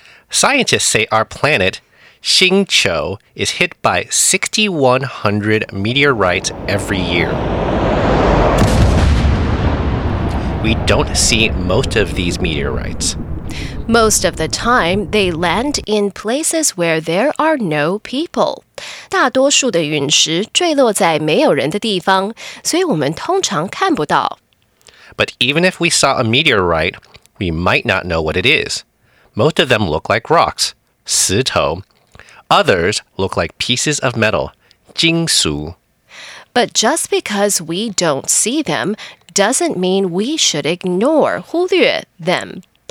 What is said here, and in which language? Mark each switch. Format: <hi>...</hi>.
<en>Scientists say our planet, 星球, is hit by 6,100 meteorites every year. We don't see most of these meteorites. Most of the time, they land in places where there are no people.</en> <zh>大多数的陨石坠落在没有人的地方,所以我们通常看不到。</zh> <en>But even if we saw a meteorite, we might not know what it is. Most of them look like rocks, 石头.Others look like pieces of metal, 金属. But just because we don't see them,doesn't mean we should ignore, 忽略, them.</en>